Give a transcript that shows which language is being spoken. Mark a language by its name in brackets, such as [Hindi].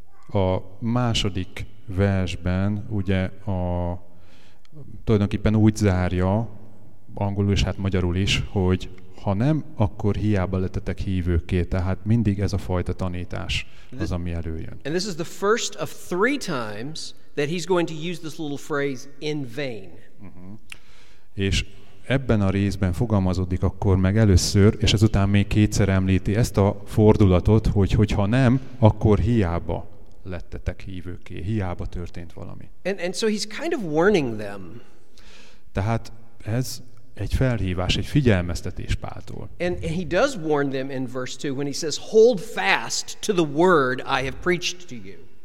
[Hungarian] A második versben ugye a tulajdonképpen úgy zárja angolul és hát magyarul is, hogy ha nem, akkor hiába lettetek hívőkké. Tehát mindig ez a fajta tanítás az, ami előjön. [English] And this is the first of three times that he's going to use this little phrase in vain. [Hungarian] És ebben a részben fogalmazódik akkor meg először, és ezután még kétszer említi ezt a fordulatot, hogyha nem, akkor hiába lettetek hívőkké. Hiába történt valami. [English] And so he's kind of warning them. [Hungarian] Tehát ez egy felhívás, egy figyelmeztetés Páltól. [English] And he does warn them in verse 2 when he says hold fast to the word I have preached to you.